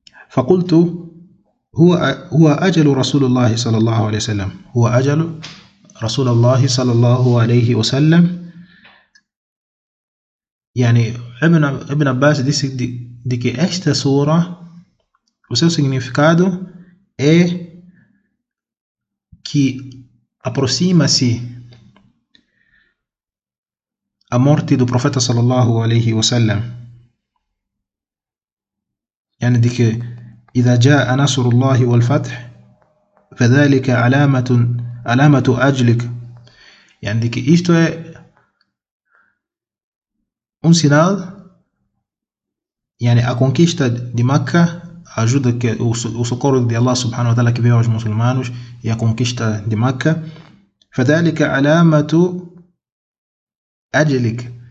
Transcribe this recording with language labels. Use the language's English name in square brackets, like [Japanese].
[Arabic] Fakultu, هو أجل رسول الله صلى الله عليه وسلم. هو أجل رسول الله صلى الله عليه وسلم. [Portuguese] ابن عباس disse de que esta sura, o seu significado é que aproxima-se a morte do profeta صلى الله عليه وسلم. De que [Arabic] إذا جاء نصر الله والفتح فذلك علامة أجلك. [Portuguese] De que isto é um sinal, a conquista de Mecca, a ajuda que o socorro de Allah subhanahu wa ta'ala que veio aos muçulmanos e a conquista de Mecca. [Arabic] فذلك علامة أجلك.